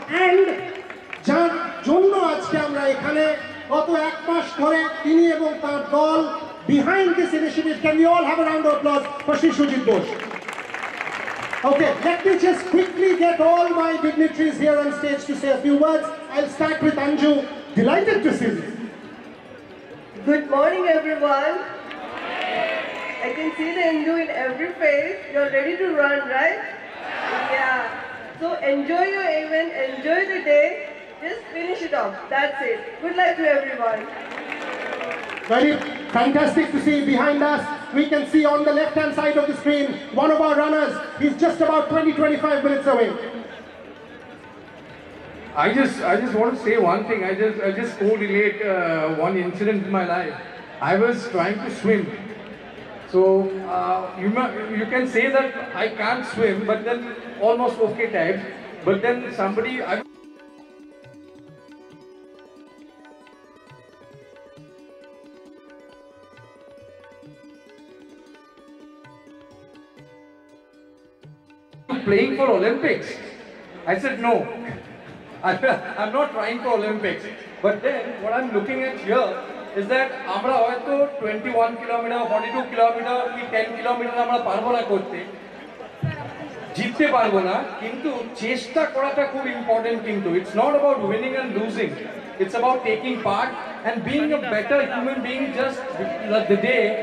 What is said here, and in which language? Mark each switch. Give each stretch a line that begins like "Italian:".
Bangla: And যার জন্য আজকে আমরা এখানে গত এক মাস ধরে তিনি এবং তার দল
English: Behind this initiative, can you all have a round of applause for Shri Sujit Bose. Okay, let me just quickly get all my dignitaries here on stage to say a few words. I will start with Anju, delighted to see you. Good morning everyone. I can see the Enjo in every face. You're ready to run, right? Yeah. So enjoy your event, enjoy the day. Just finish it off. That's it. Good luck to everyone. Very fantastic to see behind us. We can see on the left-hand side of the screen, one of our runners. He's just about 20-25 minutes away. I just want to say one thing. I just co-relate one incident in my life. I was trying to swim. So you can say that I can't swim, but then almost okay type. But then somebody, I'm playing for Olympics. I said no. I'm not trying for Olympics. But then what I'm looking at here is that
Bangla: আমরা হয়তো 21 kilometre 42 kilometre কি 10 kilometre আমরা পারবো না করতে, জিততে পারবো না, কিন্তু চেষ্টা করাটা খুব ইম্পর্টেন্ট।
English: কিন্তু it's not about winning and losing, it's about taking part and being a better human being just the day.